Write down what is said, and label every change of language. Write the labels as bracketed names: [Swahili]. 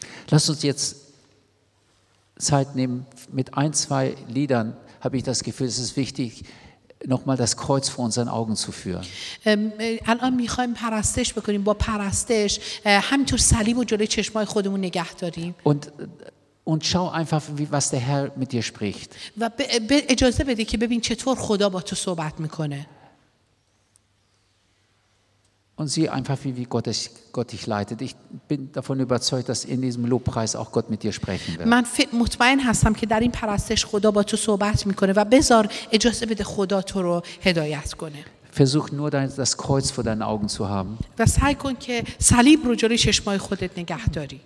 [German] Lass uns jetzt Zeit nehmen. Mit ein, zwei Liedern habe ich das Gefühl, es ist wichtig, nochmal das Kreuz vor unseren Augen zu führen. [Persian] الان میخوایم پرستش بکنیم با پرستش همینطور صلیب و جلوی چشمای خودمون نگه داریم. [German] Und schau einfach, was der Herr mit dir spricht. [Persian] و به اجازه بده که ببین چطور خدا با تو صحبت میکنه. [German] Und sieh einfach, wie Gott dich leitet. Ich bin davon überzeugt, dass in diesem Lobpreis auch Gott mit dir sprechen wird. [Persian] من مطمئن هستم که در این پرستش خدا با تو صحبت میکنه و بذار اجازه بده خدا تو رو هدایت کنه. [German] Versuch nur das Kreuz vor deinen Augen zu haben. [Persian] و سعی کن که صلیب رو جلوی چشمای خودت نگه داری.